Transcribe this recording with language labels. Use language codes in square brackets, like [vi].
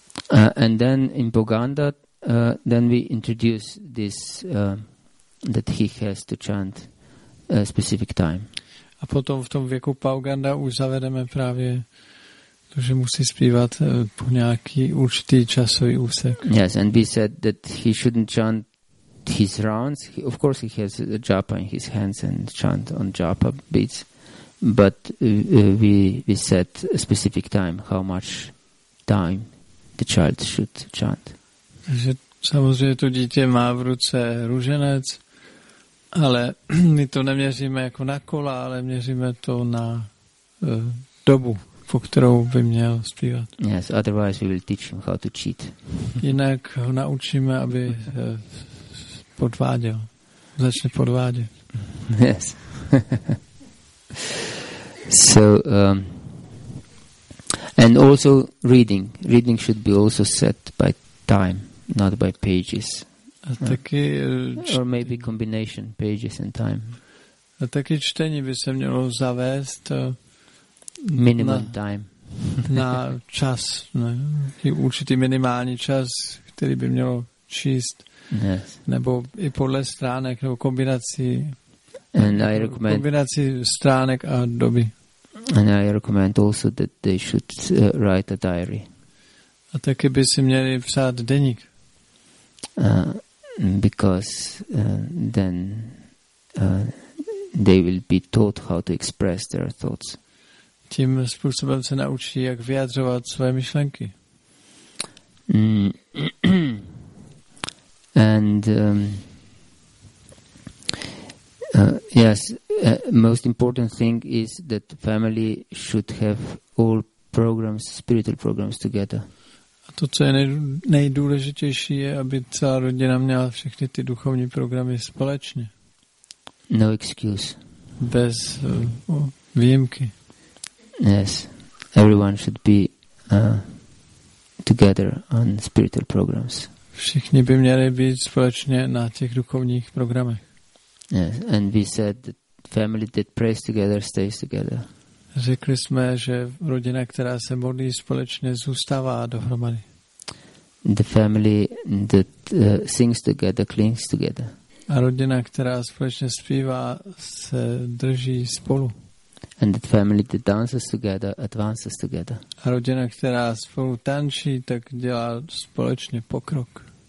[en] And then in Boganda, then we introduce this that he has to chant a specific time. [cs] A potom v tom věku Boganda už zavedeme právě to, že musí zpívat po nějaký určitý časový úsek. [en] Yes, and we said that he shouldn't chant his rounds. Of course he has a japa in his hands and chant on japa beats, but we set a specific time how much time the child should chant. [cs] Takže samozřejmě to dítě má v ruce růženec, ale my to neměříme jako na kola, ale měříme to na dobu, po kterou by měl zpívat. [en] Yes, otherwise we will teach him how to cheat. [cs] Jinak ho naučíme, aby podváděl. Začne podvádět. [en] Yes. So, and also reading. Reading should be also set by time, not by pages. [cs] A taky [en] Or maybe combination, pages and time. [cs] A taky čtení by se mělo zavést minimum na, [en] time. [cs] Na čas. Ne? Určitý minimální čas, který by mělo číst. [en] Yes. [cs] Nebo i podle stránek nebo kombinací. [en] And I recommend [cs] kombinací stránek a doby. [en] And I recommend also that they should write a diary. [cs] A taky by si měli psát deník. [en] Because then they will be taught how to express their thoughts. [cs] Tím způsobem se naučí, jak vyjadřovat své myšlenky. [en] And yes, most important thing is that the family should have all programs, spiritual programs together. [cs] A to, co je nejdůležitější, je, aby celá rodina měla všechny ty duchovní programy společně. [en] No excuse. [cs] Bez výjimky. [en] Yes, everyone should be together on spiritual programs. [cs] Všichni by měli být společně na těch duchovních programech. [en] Yes, and we said that family that prays together stays together. [cs] Řekli jsme, že rodina, která se modlí společně, zůstává dohromady. [en] The family that sings together clings together. [cs] A rodina, která společně zpívá, se drží spolu. [en] And the family that dances together advances together. [cs] A rodina, která spolu tančí, tak dělá společně pokrok.